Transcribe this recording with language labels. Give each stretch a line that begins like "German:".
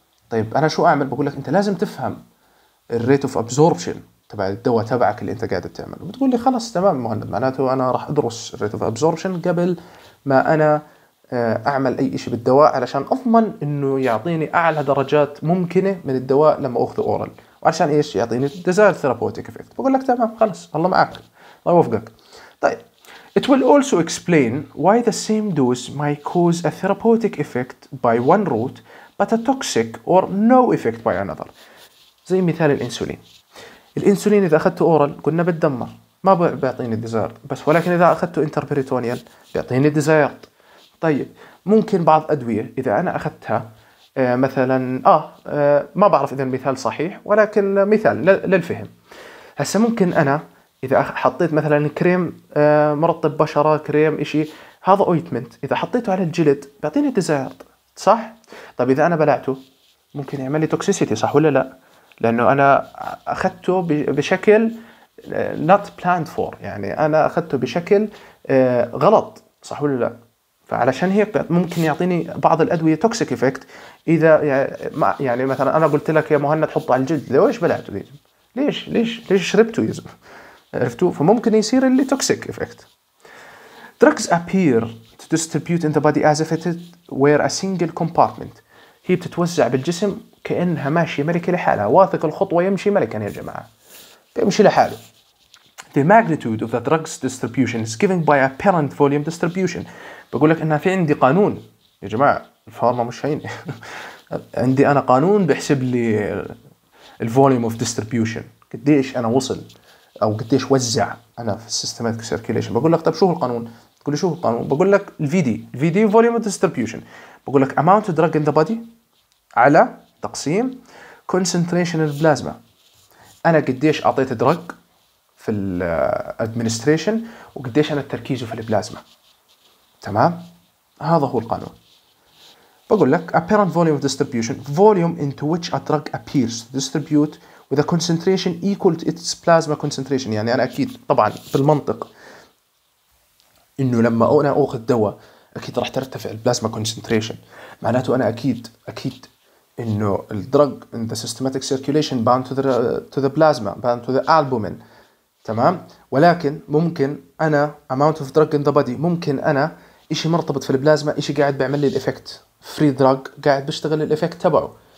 Arabic: طيب انا شو اعمل؟ بقول لك انت لازم تفهم الريت اوف ابزوربشن تبع الدواء تبعك اللي انت قاعد تعمله، بتقول لي خلاص تمام مهند، معناته انا راح ادرس الريت اوف ابزوربشن قبل ما انا اعمل اي شيء بالدواء علشان اضمن انه يعطيني اعلى درجات ممكنه من الدواء لما اخذه اورال، وعشان ايش؟ يعطيني ديزايرد ثيرابوتيك افكت. بقول لك تمام خلاص الله معك الله يوفقك.
English: طيب it will also explain why the same dose might cause a therapeutic effect by one route but a toxic or no effect by another.
Arabic: زي مثال الانسولين، الانسولين اذا اخذته اورال قلنا بتدمر ما بيعطيني ديزايرد، بس ولكن اذا اخذته انتربريتونيال بيعطيني ديزايرد. طيب ممكن بعض ادويه اذا انا اخذتها مثلا ما بعرف اذا المثال صحيح ولكن مثال للفهم، هسه ممكن انا اذا حطيت مثلا كريم مرطب بشره، كريم اشي هذا اويتمنت، اذا حطيته على الجلد بيعطيني ديزايرد صح؟ طيب اذا انا بلعته ممكن يعمل لي توكسيسيتي صح ولا لا؟ لانه انا اخذته بشكل نوت بلاند فور، يعني انا اخذته بشكل غلط صح ولا لا؟ فعلشان هيك ممكن يعطيني بعض الادويه توكسيك افكت اذا يعني مثلا انا قلت لك يا مهند حطه على الجلد، ليش بلعته دي؟ ليش ليش ليش شربته يا زلمه؟ عرفتوا؟ فممكن يصير اللي توكسيك افكت.
English: Drugs appear to distribute in the body as if it were a single compartment.
Arabic: هي بتتوزع بالجسم كانها ماشيه ملكه لحالها، واثق الخطوه يمشي ملكا يا جماعه، بيمشي لحاله.
English: The magnitude of the drug's distribution is given by apparent volume distribution.
Arabic: بقول لك انها في عندي قانون يا جماعه، الفارما مش هيني. عندي انا قانون بحسب لي الفوليوم اوف ديستريبيوشن، قديش انا وصل او قديش وزع انا في السيستماتيك سيركيليشن. بقول لك طب شو القانون؟ تقول لي شو القانون؟ بقول لك الفي دي، الفي دي فوليوم اوف ديستريبيوشن. بقول لك
English: amount of drug in the body
Arabic: على تقسيم كونسنتريشن البلازما، انا قديش اعطيت دراج في الادمنستريشن وقديش انا تركيزه في البلازما، تمام؟ هذا هو القانون. بقول لك
English: apparent volume of distribution, volume into which a drug appears to distribute with a concentration equal to its plasma concentration.
Arabic: يعني أنا أكيد طبعاً بالمنطق إنه لما أنا أخذ دواء أكيد راح ترتفع البلازما concentration، معناته أنا أكيد إنه الدرج
English: in the systematic circulation bound to the plasma bound to the albumin،
Arabic: تمام؟ ولكن ممكن أنا
English: amount of drug in the body،
Arabic: ممكن أنا إشي مرتبط في البلازما إشي قاعد بيعمل لي الإفكت، free drug قاعد بيشتغل الإفكت تبعه.